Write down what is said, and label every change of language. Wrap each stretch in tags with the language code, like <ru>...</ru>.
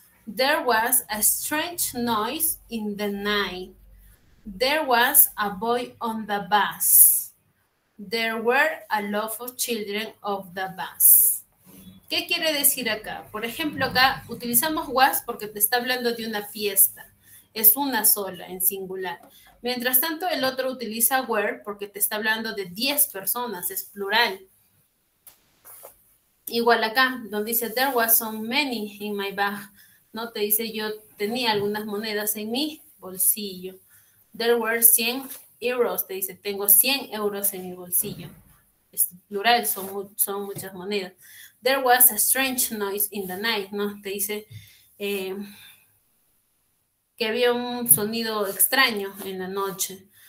<en>There was a strange noise in the night. There was a boy on the bus. There were a lot of children on the bus.</en> <es>¿Qué quiere decir acá? Por ejemplo, acá utilizamos was porque te está hablando de una fiesta. Es una sola en singular. Mientras tanto, el otro utiliza were porque te está hablando de 10 personas, es plural. Igual acá, donde dice</es> <en>there was so many in my bag,</en> <es>¿no? Te dice yo tenía algunas monedas en mi bolsillo.</es> <en>There were 100</en> <es>euros, te dice, tengo 100 euros en mi bolsillo. Es plural, son muchas monedas.</es> <en>There was a strange noise in the night, ¿no?</en> <es>Te dice que había un sonido extraño en la noche.</es>